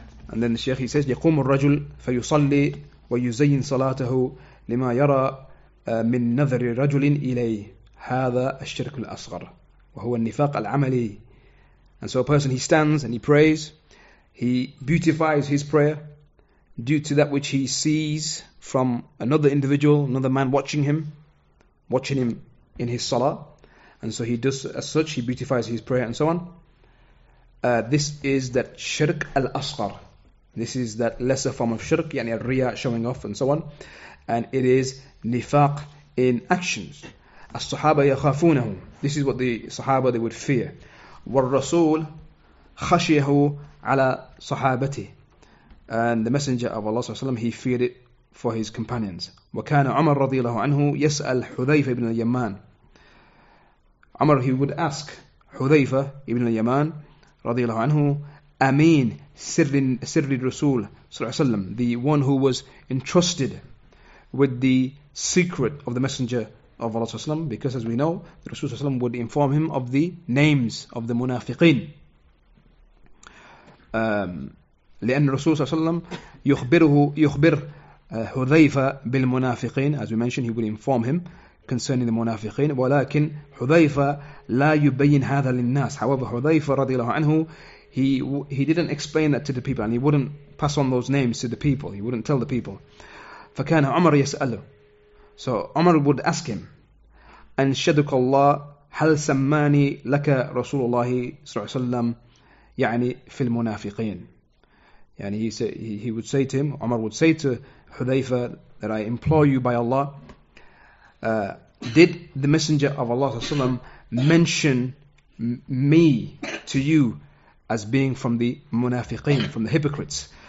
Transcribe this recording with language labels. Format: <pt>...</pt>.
<en>And then the Shaykh, he says,</en> <ar>يقوم الرجل فيصلي ويزين صلاته لما يرى من نظر رجل إليه. هذا الشرك الأصغر. وهو النفاق العملي.</ar> <en>And so a person, he stands and he prays. He beautifies his prayer due to that which he sees from another individual, another man watching him in his salah. And so he does as such, he beautifies his prayer and so on. This is that shirk al-asghar. This is that lesser form of shirk, yani al-riya, showing off and so on. And it is nifaq in actions.</en> <ar>As-sahaba yakhafunahu.</ar> <en>This is what the sahaba, they would fear.</en> <ar>Wal-rasool khashiyahu على صحابته.</ar> <en>And the Messenger of Allah وسلم, he feared it for his companions.</en> <ar>وكان عمر رضي الله عنه يسأل حذيفة بن اليمان.</ar> <en>عمر, he would ask حذيفة بن اليمان رضي الله عنه</en> <ar>أمين سر الرسول صلى الله عليه وسلم,</ar> <en>the one who was entrusted with the secret of the Messenger of Allah وسلم, because as we know, the Rasul وسلم would inform him of the names of the munafiqin.</en> <ar>لأن الرسول صلى الله عليه وسلم يخبر حذيفة بالمنافقين.</ar> <en>As we mentioned, he will inform him concerning the منافقين.</en> <ar>ولكن حذيفة لا يبين هذا للناس.</ar> <en>However, حذيفة رضي الله عنه, he didn't explain that to the people, and he wouldn't pass on those names to the people. He wouldn't tell the people.</en> <ar>فكان عمر يسأله.</ar> <en>So عمر would ask him,</en> <ar>أنشدك الله هل سماني لك رسول الله صلى الله عليه وسلم يعني في المنافقين.</ar> <en>يعني he would say to him, Umar would say to Hudhayfa, that I implore you by Allah, did the Messenger of Allah وسلم, mention me to you as being from the منافقين, from the hypocrites?</en>